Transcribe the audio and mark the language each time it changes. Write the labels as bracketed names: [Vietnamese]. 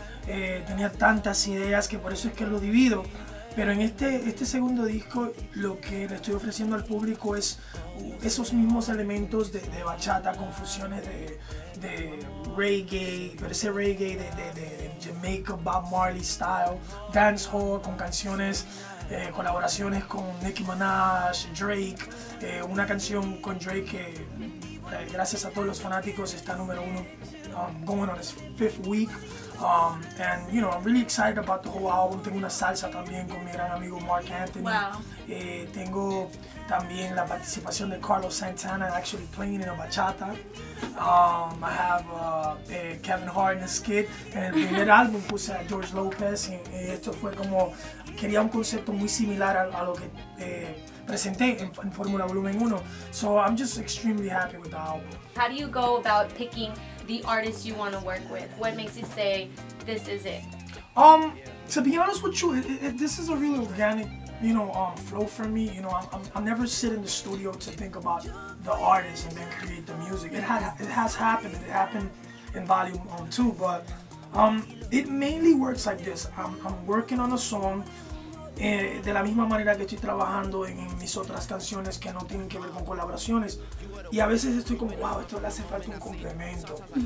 [Spanish] Tenía tantas ideas que por eso es que lo divido. Pero en este segundo disco, lo que le estoy ofreciendo al público es esos mismos elementos de bachata, confusiones de reggae, pero ese reggae de Jamaica, Bob Marley style, dancehall, con canciones, colaboraciones con Nicki Minaj, Drake, una canción con Drake que, gracias a todos los fanáticos, está número uno, [English] going on its fifth week. And you know, I'm really excited about the whole album. [Spanish] Tengo una salsa también con mi gran amigo Mark Anthony. Wow. Tengo también la participación de Carlos Santana [English] actually playing in a bachata. I have Kevin Hart in a skit. [Spanish] En el primer álbum puse a George Lopez. Y esto fue como, quería un concepto muy similar a lo que presenté en Fórmula Volumen 1. [English] So I'm just extremely happy with the album. How do you go about picking the artist you want to work with? What makes you say, this is it? To be honest with you, this is a real organic, you know, flow for me. You know, I never sit in the studio to think about the artist and then create the music. It has happened. It happened in Volume 2, but it mainly works like this. I'm working on a song. [Spanish] De la misma manera que estoy trabajando en mis otras canciones que no tienen que ver con colaboraciones. Y a veces estoy como, wow, esto le hace falta un complemento.